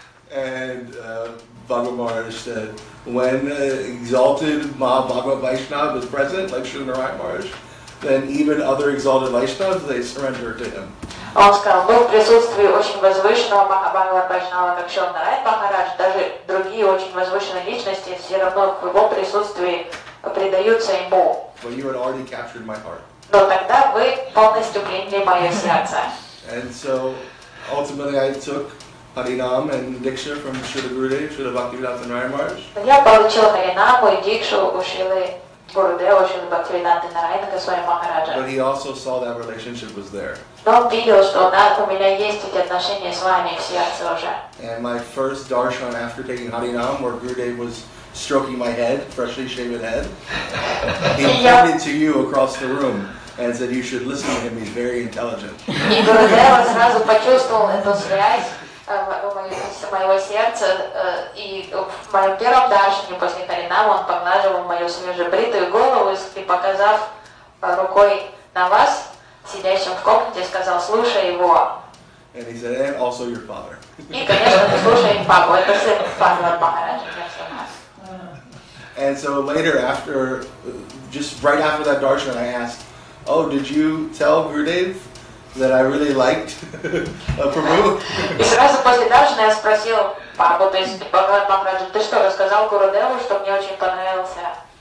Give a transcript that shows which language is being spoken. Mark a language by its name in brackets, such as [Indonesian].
[English] And Bhagavad Maharaj said, when exalted Ma Bhagavad Vaishnava is present, like Srila Narayana Maharaj, then even other exalted Vaishnavas, they surrender to him. [Russian] Он сказал, ну, в присутствии очень возвышенного Махабхагавата Вайшнава, как Шрила Нараяна Махараджа, даже другие очень возвышенные личности все равно в его присутствии предаются ему. [English] But you had already captured my heart. [Russian] Но тогда вы полностью приняли мое сердце. [English] And so, ultimately, I took Харинам and Дикшу from Шрила Гурудева, Шрила Бхактивинода Нараяна Махараджа. [Russian] Я получил Харинаму и Дикшу у Шрилы Гурудева, Шрилы Бхактивинода Нараяна Госвами Махараджа. [English] But he also saw that relationship was there. [Russian] Но он видел, что да, у меня есть эти отношения с вами в сердце уже. [English] And my first darshan after taking Harinam, where Gurudev was stroking my head, freshly shaven head, he pointed to you across the room and said, you should listen to him, he's very intelligent. [Russian] И Гурудева сразу почувствовал эту связь моего сердца, и в моем первом даршане после Харинама он поглаживал мою свежебритую голову и показав рукой на вас, сидящим в комнате, сказал, слушай его. [English] And he said, and also your father. [Russian] И, конечно, слушай папу, это сын Бхагавата Махараджа. [English] And so later after, just right after that darshan, I asked, oh, did you tell Gurudev that I really liked Prabhu? [Russian] И сразу после даршана я спросил папу, то есть Бхагавата Махараджа, ты что, рассказал Гурудеву, что мне очень понравился?